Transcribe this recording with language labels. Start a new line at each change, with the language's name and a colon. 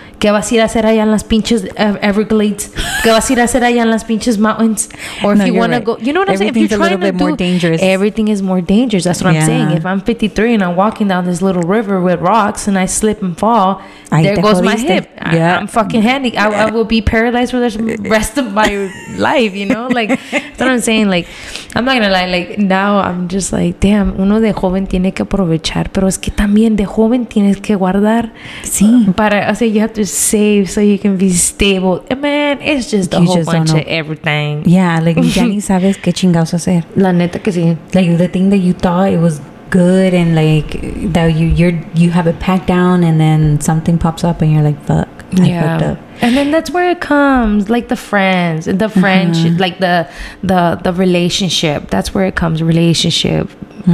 Spanish: ¿Qué vas a ir a hacer allá en las pinches Everglades? ¿Qué vas a ir a hacer allá en las pinches mountains?
English: Or if no, you want right. to go, you know what I'm saying? If you're trying a little bit more dangerous. Everything is more dangerous. That's what yeah. I'm saying. If I'm 53 and I'm walking down this little river with rocks and I slip and fall, ay, there goes my hip. Yeah. I'm fucking handy. I will be paralyzed for the rest of my life, you know? Like, that's what I'm saying. Like, I'm not gonna lie. Like, now I'm just like, damn, uno de joven tiene que aprovechar.
Spanish: Pero es que también de joven tienes que guardar. Sí.
English: Para, o sea, you have to save so you can be stable. And man, it's just a whole bunch of everything.
Spanish: Yeah, like, ya ni sabes qué chingados hacer. La neta que sí.
English: Like, the thing that you thought it was good and, like, that you have it packed down and then something pops up and you're like, fuck. Yeah, and then that's where it comes, like the friends, the friendship, mm-hmm. like the relationship. That's where it comes, relationship, mm-hmm.